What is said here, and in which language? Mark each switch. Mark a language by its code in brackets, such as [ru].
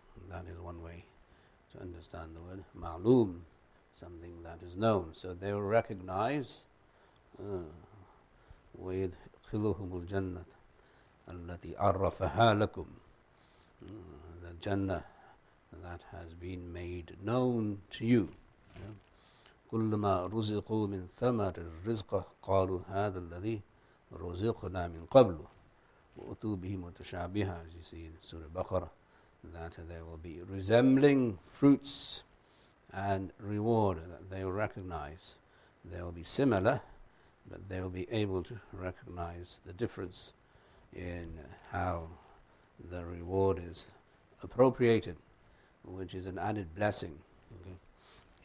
[en] That is one way to understand the word ma'lum, something that is known. So they will recognize with [ar] khiluhumul jannat allati arrafaha lakum, [en] the jannah that has been made known to you. [ar] كلما رزقوا من ثمر الرزق قالوا هذا الذي رزقنا من قبل وأتوا به متشابها. [en] As you see in Surah Baqarah, that they will be resembling fruits and reward, that they will recognize. They will be similar, but they will be able to recognize the difference in how the reward is appropriated, which is an added blessing. Okay.